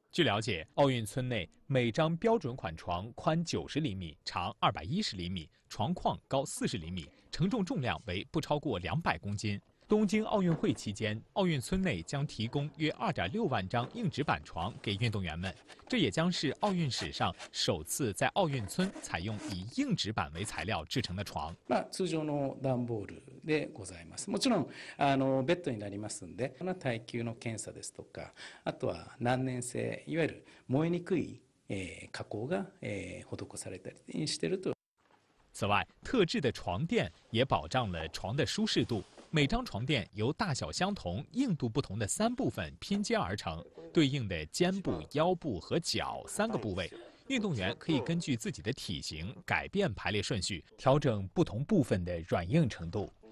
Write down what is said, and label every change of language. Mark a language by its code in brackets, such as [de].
[zh] 据了解，奥运村内每张标准款床宽90厘米，长210厘米，床框高40厘米，承重重量为不超过200公斤。东京奥运会期间，奥运村内将提供约2.6万张硬纸板床给运动员们，这也将是奥运史上首次在奥运村采用以硬纸板为材料制成的床。 [ja] 那通常の段ボールでございます。もちろんあのベッドになりますんで、その耐久の検査ですとか、あとは難燃性、いわゆる燃えにくい加工が施されたりしていると。 [zh] 此外，特制的床垫也保障了床的舒适度。每张床垫由大小相同、硬度不同的三部分拼接而成，对应的肩部、腰部和脚三个部位，运动员可以根据自己的体型改变排列顺序，调整不同部分的软硬程度。